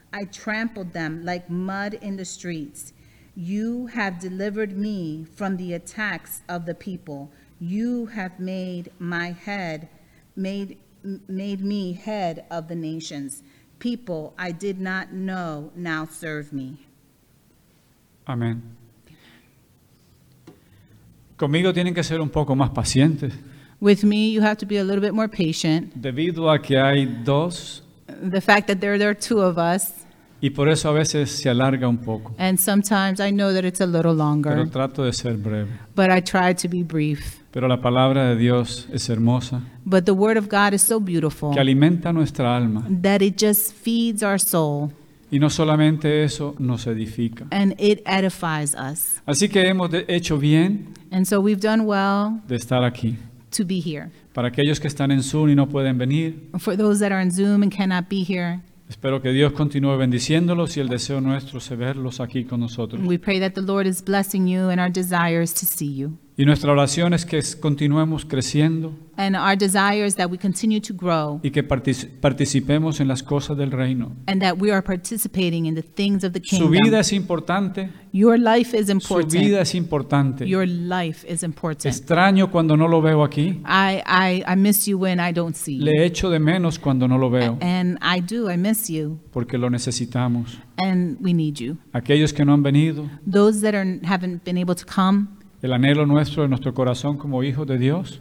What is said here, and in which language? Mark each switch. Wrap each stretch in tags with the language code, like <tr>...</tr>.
<en>I trampled them like mud in the streets. You have delivered me from the attacks of the people. You have made me head of the nations. People I did not know now serve me.</en> <es>Amén. Conmigo tienen que ser un poco más pacientes.</es> <en>With me, you have to be a little bit more patient.</en> <es>Debido a que hay dos.</es> <en>The fact that there are two of us.</en> <es>Y por eso a veces se alarga un poco.</es> <en>And sometimes I know that it's a little longer.</en> <es>Pero trato de ser breve.</es> <en>But I try to be brief.</en> <es>Pero la palabra de Dios es hermosa.</es> <en>But the word of God is so beautiful.</en> <es>Que alimenta nuestra alma.</es> <en>That it just feeds our soul.</en> <es>Y no solamente eso, nos edifica.</es> <en>And it edifies us.</en> <es>Así que hemos hecho bien.</es> <en>And so we've done well.</en> <es>De estar aquí.</es> <en>To be here.</en> <es>Para aquellos que están en Zoom y no pueden venir.</es> <en>For those that are in Zoom and cannot be here.</en> <es>Espero que Dios continúe bendiciéndolos y el deseo nuestro es verlos aquí con nosotros.</es> <en>We pray that the Lord is blessing you and our desire is to see you.</en> <es>Y nuestra oración es que continuemos creciendo.</es> <en>And our desire is that we continue to grow.</en> <es>Y que participemos en las cosas del reino.</es> <en>And that we are participating in the things of the kingdom.</en> <es>Su vida es importante.</es> <en>Your life is important.</en> <es>Su vida es importante.</es> <en>Your life is important.</en> <es>Extraño cuando no lo veo aquí.</es> <en>I miss you when I don't see you.</en> <es>Le echo de menos cuando no lo veo.</es> <en>And I do, I miss you.</en> <es>Porque lo necesitamos.</es> <en>And we need you.</en> <es>Aquellos que no han venido.</es> <en>Those that haven't been able to come.</en> <es>El anhelo nuestro en nuestro corazón como hijos de Dios.</es>